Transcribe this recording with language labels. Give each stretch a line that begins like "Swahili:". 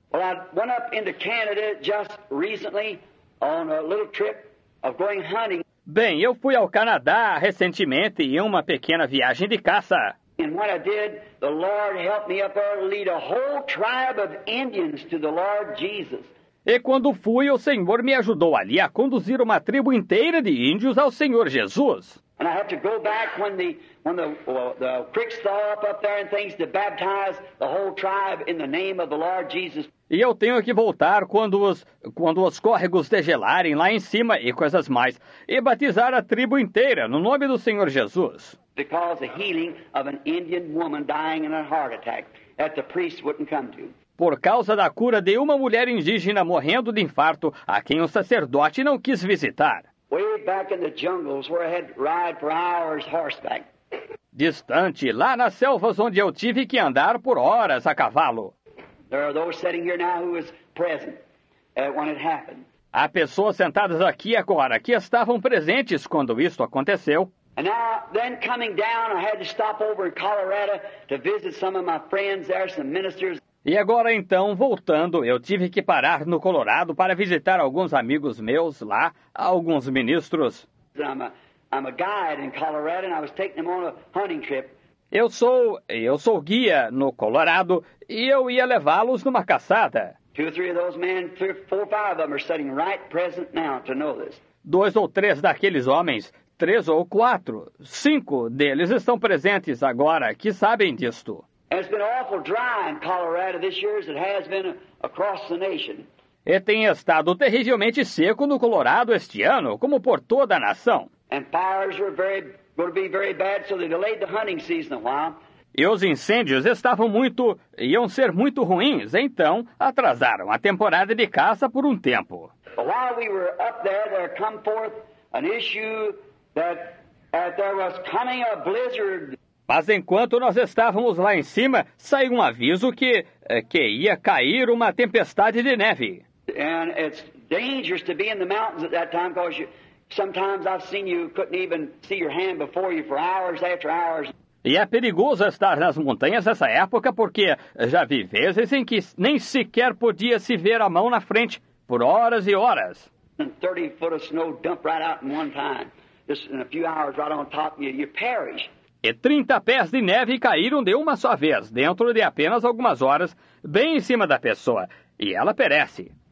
English: Well, I went up into Canada just recently on a little trip of going hunting.
Portuguese: Bem, eu fui ao Canadá recentemente em uma pequena viagem de caça.
English: And when I did, the Lord helped me up there lead a whole tribe of Indians to the Lord Jesus.
Portuguese: E quando fui, o Senhor me ajudou ali a conduzir uma tribo inteira de índios ao Senhor Jesus.
English: And I had to go back when the creeks thaw up there and things to baptize the whole tribe in the name of the Lord Jesus.
Portuguese: E eu tenho que voltar quando os córregos degelarem lá em cima e coisas mais e batizar a tribo inteira no nome do Senhor Jesus.
English: Because the healing of an Indian woman dying in a heart attack that the priest wouldn't come to.
Portuguese: Por causa da cura de uma mulher indígena morrendo de infarto a quem o sacerdote não quis visitar.
English: Way back in the jungles where I had to ride for hours horseback.
Portuguese: Distante, lá nas selvas onde eu tive que andar por horas a cavalo.
English: There are those sitting here now who was present when it happened.
Portuguese: Há pessoas sentadas aqui agora que estavam presentes quando isto aconteceu.
English: And now, then coming down, I had to stop over in Colorado to visit some of my friends there, some ministers.
Portuguese: E agora então, voltando, eu tive que parar no Colorado para visitar alguns amigos meus lá, alguns ministros.
English: I'm a guide in Colorado and I was taking them on a hunting trip.
Portuguese: Eu sou guia no Colorado e eu ia levá-los numa caçada.
English: Two or three of those men, three, four, five of them are sitting right present now to know this.
Portuguese: Dois ou três daqueles homens, três ou quatro, cinco deles estão presentes agora que sabem disto.
English: It's been awful dry in Colorado this year as it has been across the nation.
Portuguese: E tem estado terrivelmente seco no Colorado este ano, como por toda a nação.
English: And fires were going to be very bad, so they delayed the hunting season a while.
Portuguese: E os incêndios estavam muito, iam ser muito ruins, então atrasaram a temporada de caça por um tempo.
English: But while we were up there, there come forth an issue that there was coming a blizzard.
Portuguese: Mas enquanto nós estávamos lá em cima, saiu um aviso que ia cair uma tempestade de neve.
English: And it's dangerous to be in the mountains at that time because sometimes I've seen you couldn't even see your hand before you for hours after hours.
Portuguese: E é perigoso estar nas montanhas nessa época porque já vi vezes em que nem sequer podia se ver a mão na frente por horas e horas.
English: And 30 foot of snow dumped right out in one time. Just in a few hours right on top of you, you perish.
Portuguese: E 30 pés de neve caíram de uma só vez, dentro de apenas algumas horas, bem em cima da pessoa, e ela perece.